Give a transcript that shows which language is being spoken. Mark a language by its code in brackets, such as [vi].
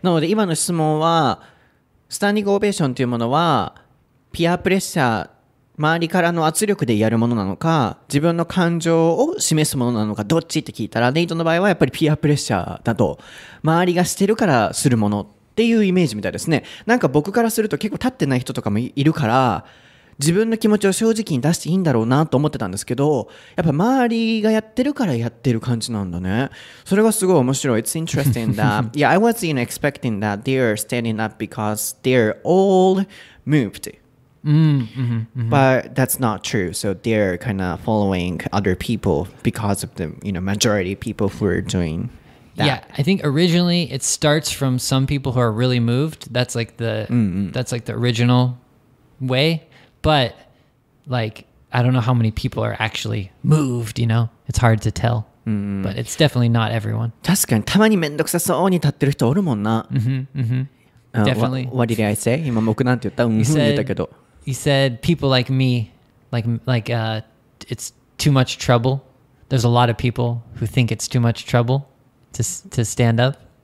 [ja] なので今の質問は、スタンディングオベーションというものは、ピアプレッシャー、周りからの圧力でやるものなのか、自分の感情を示すものなのか、どっちって聞いたら、ネイトの場合はやっぱりピアプレッシャーだと、周りがしてるからするものっていうイメージみたいですね。なんか僕からすると結構立ってない人とかもいるから、自分の気持ちを正直に出していいんだろうなと思ってたんですけど、やっぱ周りがやってるからやってる感じなんだね。それがすごい面白い。 [en] It's interesting that, yeah, I was in expecting that they're standing up because they're all moved. But that's not true. So they're kind of following other people because of the, you know, majority of people who are doing that. Yeah, I think originally it starts from some people who are really moved. That's like the, that's like the original way. But, like, I don't know how many people are actually moved, you know? It's hard to tell. But it's definitely not everyone. [ja] 確かに、たまにめんどくさそうに立ってる人おるもんな。 [en] Definitely. What did I say? [ja] 今、僕なんて言った？言ったけど。 [en] You said people like me, like, it's too much trouble. There's a lot of people who think it's too much trouble to stand up.